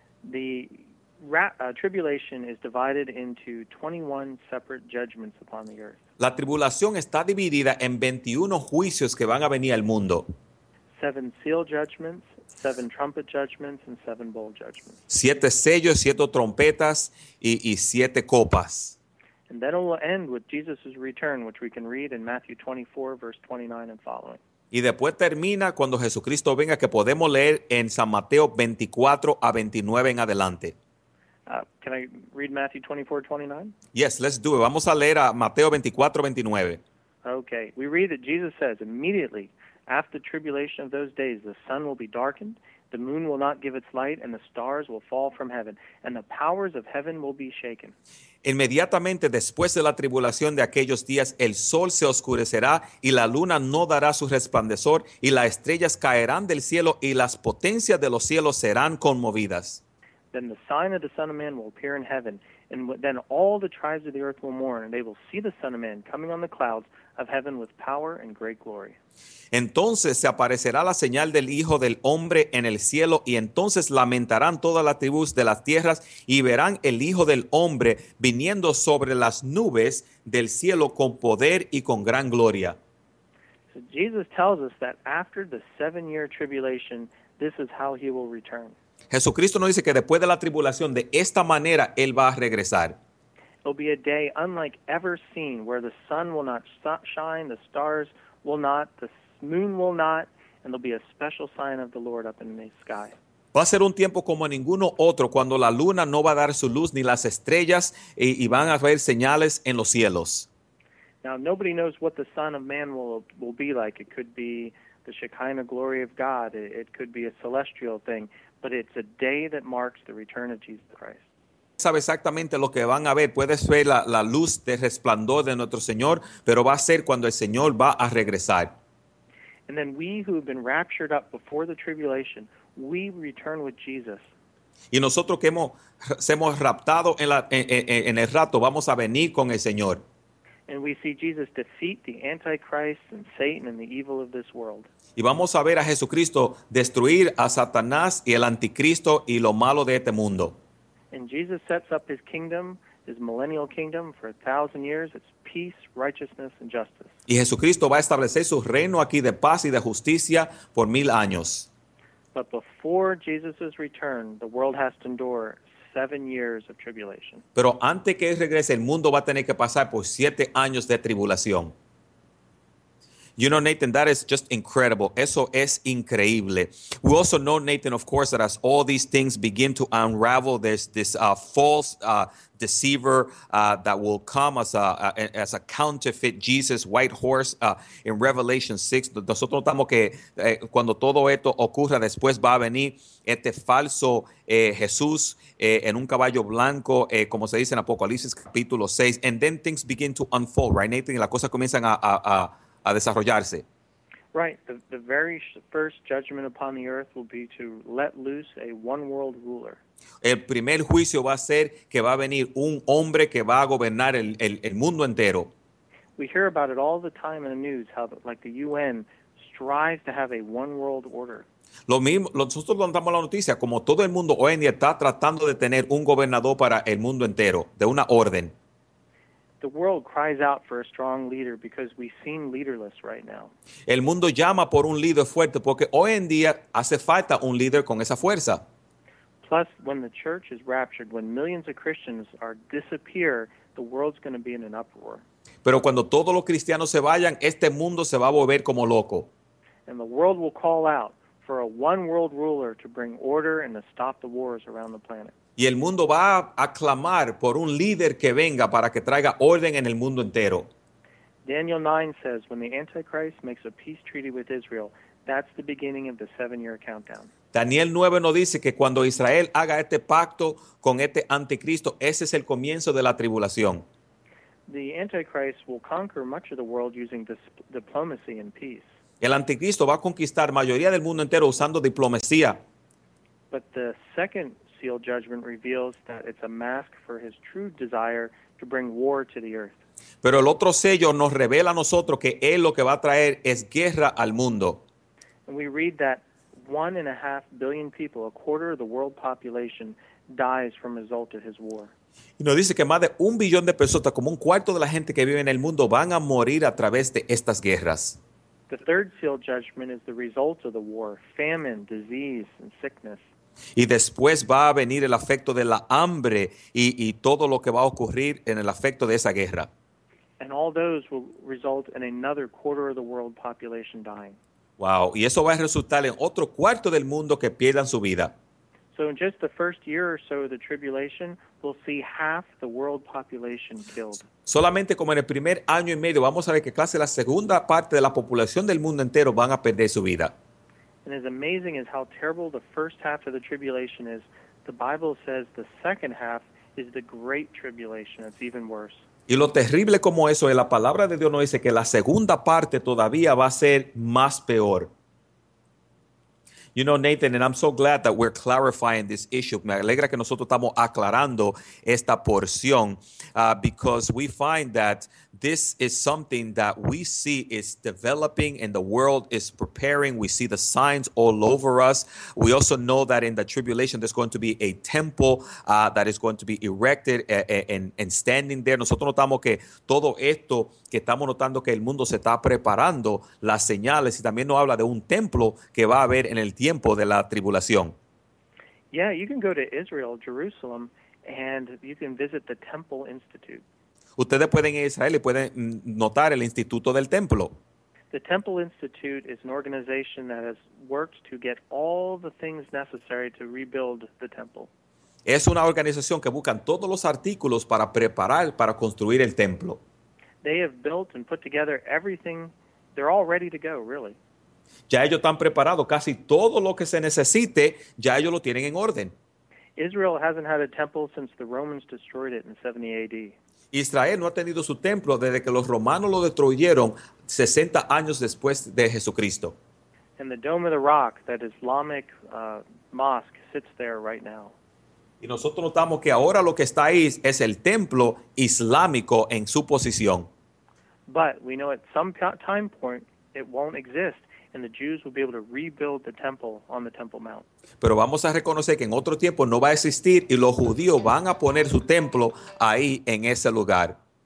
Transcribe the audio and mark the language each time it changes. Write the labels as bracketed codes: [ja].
[en] The tribulation is divided into 21 separate judgments upon the earth. [es] La tribulación está dividida en 21 juicios que van a venir al mundo. [en] 7 seal judgments, 7 trumpet judgments, and 7 bowl judgments. [es] 7 sellos, 7 trompetas y 7 copas. [en] And then it will end with Jesus' return, which we can read in Matthew 24, verse 29 and following. [es] Y después termina cuando Jesucristo venga, que podemos leer en San Mateo 24 a 29 en adelante. [en] Can I read Matthew 24, 29? Yes, let's do it. [es] Vamos a leer a Mateo 24, 29. [en] Okay, we read that Jesus says, immediately after the tribulation of those days, the sun will be darkened, the moon will not give its light, and the stars will fall from heaven, and the powers of heaven will be shaken. [es] Inmediatamente después de la tribulación de aquellos días, el sol se oscurecerá, y la luna no dará su resplandor, y las estrellas caerán del cielo, y las potencias de los cielos serán conmovidas. [en] Then the sign of the Son of Man will appear in heaven, and then all the tribes of the earth will mourn, and they will see the Son of Man coming on the clouds of heaven with power and great glory. [es] Entonces se aparecerá la señal del Hijo del Hombre en el cielo, y entonces lamentarán todas las tribus de las tierras, y verán el Hijo del Hombre viniendo sobre las nubes del cielo con poder y con gran gloria. [en] So Jesus tells us that after the 7 year tribulation, this is how he will return. [es] Jesucristo nos dice que después de la tribulación, de esta manera, Él va a regresar. [en] It'll be a day unlike ever seen, where the sun will not shine, the stars will not, the moon will not, and there'll be a special sign of the Lord up in the sky. [es] Va a ser un tiempo como ninguno otro, cuando la luna no va a dar su luz, ni las estrellas, y van a haber señales en los cielos. [en] Now, nobody knows what the Son of Man will be like. It could be the Shekinah glory of God. It could be a celestial thing. But it's a day that marks the return of Jesus Christ. [es] Sabe exactamente lo que van a ver. Puede ser la luz de resplandor de nuestro Señor, pero va a ser cuando el Señor va a regresar. [en] And then we who have been raptured up before the tribulation, we return with Jesus. [es] Y nosotros que hemos raptado en el rato, vamos a venir con el Señor. [en] And we see Jesus defeat the Antichrist and Satan and the evil of this world. [es] Y vamos a ver a Jesucristo destruir a Satanás y el anticristo y lo malo de este mundo. [en] And Jesus sets up his kingdom, his millennial kingdom, for 1,000 years. It's peace, righteousness, and justice. [es] Y Jesucristo va a establecer su reino aquí de paz y de justicia por 1,000 años. [en] But before Jesus' return, the world has to endure 7 years of tribulation. [es] Pero antes que él regrese, el mundo va a tener que pasar por 7 años de tribulación. [en] You know, Nathan, that is just incredible. [es] Eso es increíble. [en] We also know, Nathan, of course, that as all these things begin to unravel, there's this false deceiver that will come as a counterfeit Jesus, white horse, in Revelation 6. [es] Nosotros notamos que cuando todo esto ocurra, después va a venir este falso Jesús en un caballo blanco, como se dice en Apocalipsis capítulo 6. [en] And then things begin to unfold, right, Nathan? [es] Y las cosas comienzan a desarrollarse. [en] Right. The very first judgment upon the earth will be to let loose a one-world ruler. [es] El primer juicio va a ser que va a venir un hombre que va a gobernar el mundo entero. [en] We hear about it all the time in the news, how like the UN strives to have a one-world order. [es] Lo mismo, nosotros contamos la noticia, como todo el mundo hoy en día está tratando de tener un gobernador para el mundo entero, de una orden. [en] The world cries out for a strong leader because we seem leaderless right now. [es] El mundo llama por un líder fuerte porque hoy en día hace falta un líder con esa fuerza. [en] Plus, when the church is raptured, when millions of Christians are disappear, the world's going to be in an uproar. [es] Pero cuando todos los cristianos se vayan, este mundo se va a volver como loco. [en] And the world will call out for a one world ruler to bring order and to stop the wars around the planet. [es] Y el mundo va a clamar por un líder que venga para que traiga orden en el mundo entero. [en] Daniel 9 says, when the Antichrist makes a peace treaty with Israel, that's the beginning of the seven-year countdown. [es] Daniel 9 nos dice que cuando Israel haga este pacto con este anticristo, ese es el comienzo de la tribulación. [en] The Antichrist will conquer much of the world using diplomacy and peace. [es] El anticristo va a conquistar mayoría del mundo entero usando diplomacia. [en] But the second seal judgment reveals that it's a mask for his true desire to bring war to the earth. [es] Pero el otro sello nos revela a nosotros que él lo que va a traer es guerra al mundo. [en] And we read that 1.5 billion people, a quarter of the world population, dies from the result of his war. [es] Y nos dice que más de 1 billón de personas, como un cuarto de la gente que vive en el mundo, van a morir a través de estas guerras. [en] The third seal judgment is the result of the war, famine, disease, and sickness. [es] Y después va a venir el efecto de la hambre y todo lo que va a ocurrir en el efecto de esa guerra. [en] And all those will result in another quarter of the world population dying. [es] Wow, y eso va a resultar en otro cuarto del mundo que pierdan su vida. [en] So in just the first year or so of the tribulation, we'll see half the world population killed. [es] Solamente como en el primer año y medio, vamos a ver que casi la segunda parte de la población del mundo entero van a perder su vida. [en] And as amazing as how terrible the first half of the tribulation is, the Bible says the second half is the great tribulation. It's even worse. [es] Y lo terrible como eso es, la palabra de Dios nos dice que la segunda parte todavía va a ser más peor. [en] You know, Nathan, and I'm so glad that we're clarifying this issue. [es] Me alegra que nosotros estamos aclarando esta porción, [en] because we find that this is something that we see is developing and the world is preparing. We see the signs all over us. We also know that in the tribulation, there's going to be a temple that is going to be erected and standing there. [es] Nosotros notamos que todo esto, que estamos notando que el mundo se está preparando, las señales, y también nos habla de un templo que va a haber en el tiempo de la tribulación. [en] Yeah, you can go to Israel, Jerusalem, and you can visit the Temple Institute. [es] Ustedes pueden ir a Israel y pueden notar el Instituto del Templo. [en] The Temple Institute is an organization that has worked to get all the things necessary to rebuild the temple. [es] Es una organización que busca todos los artículos para preparar para construir el templo. [en] They have built and put together everything. They're all ready to go, really. [es] Ya ellos están preparados. Casi todo lo que se necesite, ya ellos lo tienen en orden. [en] Israel hasn't had a temple since the Romans destroyed it in 70 AD. [es] Israel no ha tenido su templo desde que los romanos lo destruyeron 60 años después de Jesucristo. [en] And the Dome of the Rock, that Islamic mosque, sits there right now. [es] Y nosotros notamos que ahora lo que está ahí es el templo islámico en su posición. [en] But we know at some time point it won't exist. And the Jews will be able to rebuild the temple on the Temple Mount. [es] Pero vamos a reconocer que en otro tiempo no va a existir y los judíos van a poner su templo ahí en ese lugar.